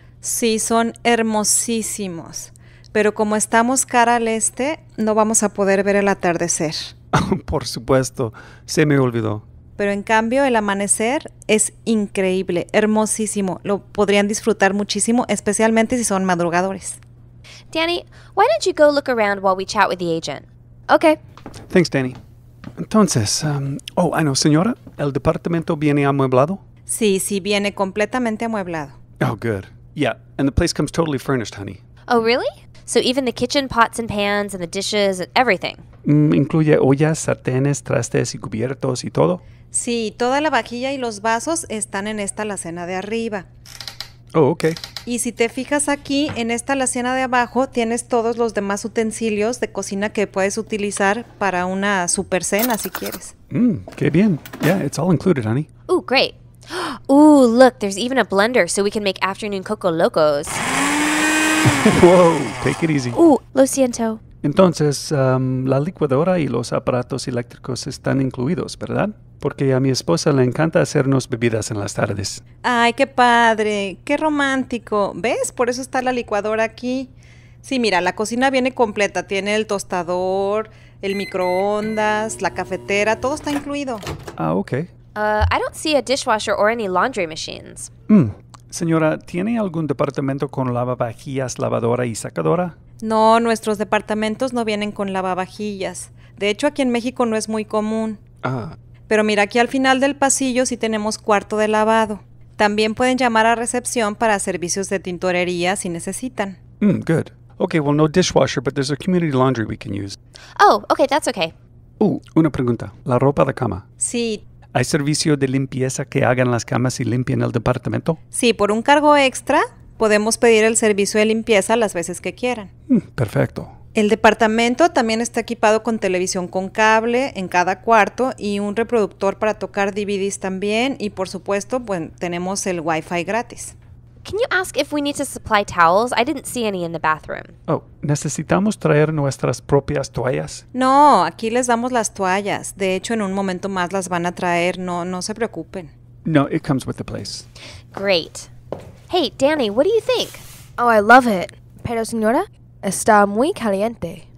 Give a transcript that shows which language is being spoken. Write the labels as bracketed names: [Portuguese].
[Spanish] Sí, son hermosísimos. Pero como estamos cara al este, no vamos a poder ver el atardecer. Por supuesto, se me olvidó. Pero en cambio, el amanecer es increíble, hermosísimo. Lo podrían disfrutar muchísimo, especialmente si son madrugadores. [English] Danny, why don't you go look around while we chat with the agent? Okay. Thanks, Danny. [Spanish] Entonces, [English] I know, [Spanish] señora, ¿el departamento viene amueblado? Sí, sí, viene completamente amueblado. [English] Oh, good. Yeah, and the place comes totally furnished, honey. Oh, really? So even the kitchen pots and pans and the dishes and everything? [Spanish] Incluye ollas, sartenes, trastes y cubiertos y todo. Sí, toda la vajilla y los vasos están en esta alacena de arriba. Oh, okay. Y si te fijas aquí, en esta alacena de abajo, tienes todos los demás utensilios de cocina que puedes utilizar para una super cena, si quieres. Qué bien. [English] Yeah, it's all included, honey. Oh, great. Ooh, look, there's even a blender so we can make afternoon coco locos. Whoa, take it easy. [Spanish] Ooh, lo siento. Entonces, la licuadora y los aparatos eléctricos están incluidos, ¿verdad? Porque a mi esposa le encanta hacernos bebidas en las tardes. Ay, qué padre, qué romántico. ¿Ves? Por eso está la licuadora aquí. Sí, mira, la cocina viene completa. Tiene el tostador, el microondas, la cafetera, todo está incluido. Ah, ok. [English] I don't see a dishwasher or any laundry machines. [Spanish] Señora, ¿tiene algún departamento con lavavajillas, lavadora y secadora? No, nuestros departamentos no vienen con lavavajillas. De hecho, aquí en México no es muy común. Pero mira, aquí al final del pasillo sí tenemos cuarto de lavado. También pueden llamar a recepción para servicios de tintorería si necesitan. Good. Okay, well, no dishwasher, but there's a community laundry we can use. Oh, okay, that's okay. Una pregunta. ¿La ropa de cama? Sí. ¿Hay servicio de limpieza que hagan las camas y limpien el departamento? Sí, por un cargo extra, podemos pedir el servicio de limpieza las veces que quieran. Perfecto. El departamento también está equipado con televisión con cable en cada cuarto y un reproductor para tocar DVDs también. Y por supuesto, bueno, tenemos el Wi-Fi gratis. [English] Can you ask if we need to supply towels? I didn't see any in the bathroom. [Spanish] Oh, ¿necesitamos traer nuestras propias toallas? No, aquí les damos las toallas. De hecho, en un momento más las van a traer. No, no se preocupen. [English] No, it comes with the place. Great. Hey, Danny, what do you think? Oh, I love it. [Spanish] Pero, señora, está muy caliente.